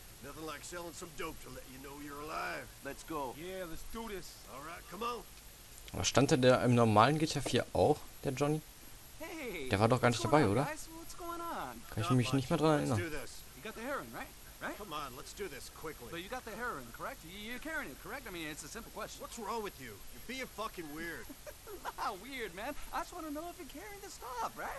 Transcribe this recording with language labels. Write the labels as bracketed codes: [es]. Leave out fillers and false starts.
[en] Nothing like selling some dope to let you know you're alive. Let's go. Yeah, let's do this. All right, come on. [de] Was stand da im normalen GTA 4 auch, der Johnny? [en] Hey. [de] Der war doch gar nicht dabei, on, oder? [en] What's going on? [de] Kann ich mich nicht mehr dran erinnern. [en] Let's do this. You got the heroin, right? Right? Come on, let's do this quickly. But you got the heroin, correct? You're carrying it, correct? I mean, it's a simple question. What's wrong with you? You're being fucking weird. How weird, man. I just want to know if you're carrying the stuff, right?